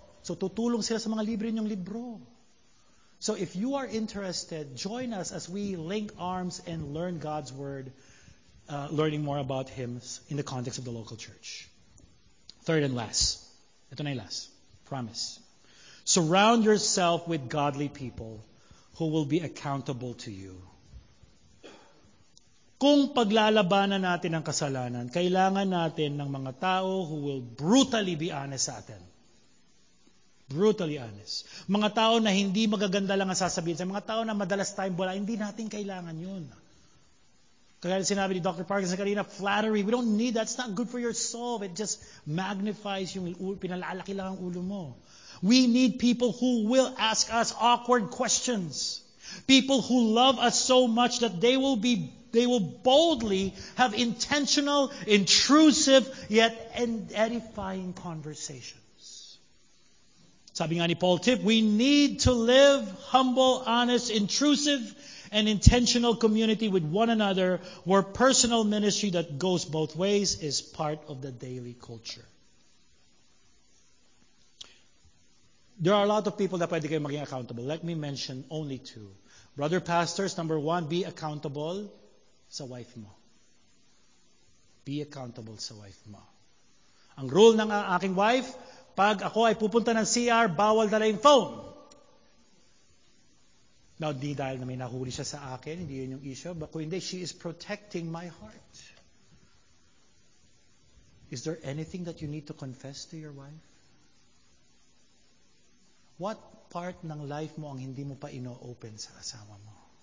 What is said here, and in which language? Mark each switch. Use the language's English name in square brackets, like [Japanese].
[Filipino] So tutulong sila sa mga libre niyong libro. [English] So if you are interested, join us as we link arms and learn God's Word, learning more about Him in the context of the local church. Third and last. [Filipino] Ito na yung last. [English] Promise. Surround yourself with godly people who will be accountable to you. [Filipino] Kung paglalabanan natin ang kasalanan, kailangan natin ng mga tao [English] who will brutally be honest [Filipino] sa atin. brutally honest. Mga tao na hindi magaganda lang ang sasabihin sa mga tao na madalas tayong bola, hindi natin kailangan yun. Kaya sinabi ni Dr. [English] Parkinson kanina, flattery, we don't need that. It's not good for your soul. It just magnifies [Filipino] yung pinalalaki lang ang ulo mo. [English] We need people who will ask us awkward questions. People who love us so much that they will boldly have intentional, intrusive, yet edifying conversations. [Filipino] Sabi nga ni [English] Paul Tip, we need to live humble, honest, intrusive, and intentional community with one another where personal ministry that goes both ways is part of the daily culture. There are a lot of people that [Filipino] pwede kayo maging [English] accountable. Let me mention only two. Brother pastors, number one, be accountable [Filipino] sa wife mo. [English] Be accountable sa wife mo. [Filipino] Ang rule ng aking wife, pag ako ay pupunta ng CR, bawal dala yung phone. Now, di dahil na may nahuli siya sa akin, hindi yun yung issue, but kung hindi, [English] she is protecting my heart. Is there anything that you need to confess to your wife? What part [Filipino] ng life mo ang hindi mo pa ino-open sa asawa mo?